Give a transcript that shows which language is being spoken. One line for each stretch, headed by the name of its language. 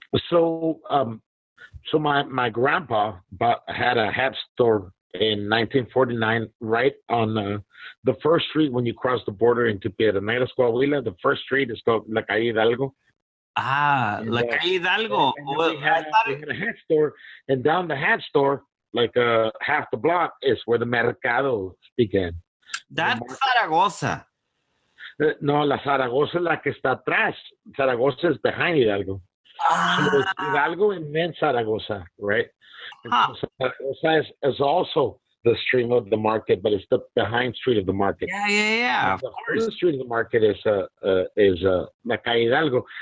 English: So my grandpa had a hat store in 1949, right on the first street when you cross the border into Piedras Coahuila. The first street is called La Calle Hidalgo.
Spanish: La Calle Hidalgo.
English: We had a hat store, and down the hat store, like half the block, is where the Mercado began. That's Zaragoza.
Spanish: No, la Zaragoza la que está atrás.
English: Zaragoza is behind Hidalgo. Ah. So Hidalgo and then Zaragoza, right? Huh. And Zaragoza is also the stream of the market, but it's the behind street of the market. Yeah, of course. The street of the market is La Calle Hidalgo.